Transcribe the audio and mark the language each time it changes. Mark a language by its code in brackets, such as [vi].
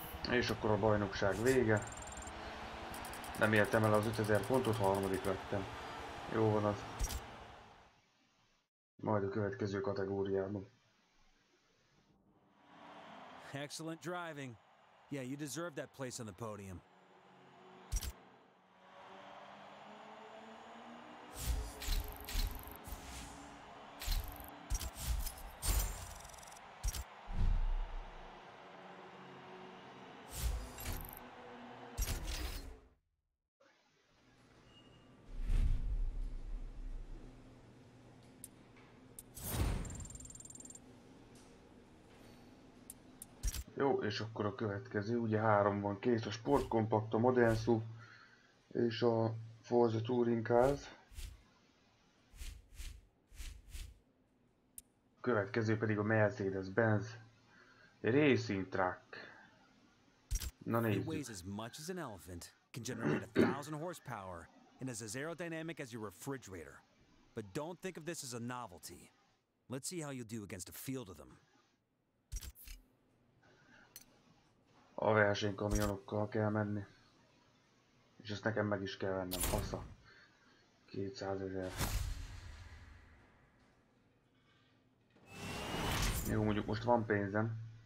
[hu] És akkor a bajnokság vége. Nem értem el az 5000 pontot, harmadik lettem. Jó van az. Majd a következő kategóriában. [en] Excellent driving. Yeah, you deserve that place on the podium. [hu] Jó, és akkor a következő, ugye három van kész, a Sportkompakt, a Modern SUV és a Forza Touring Cars. A következő pedig a Mercedes-Benz Racing Truck. Na nézzük. [en] It weighs as much as an elephant, can generate 1000 horsepower, and is as aerodynamic as your refrigerator. But don't think of this as a novelty. Let's see how you do against a field of them. [hu] A versenykamionokkal kell menni. És ezt nekem meg is kell vennem, fasza. 200 000. Jó, mondjuk most van pénzem.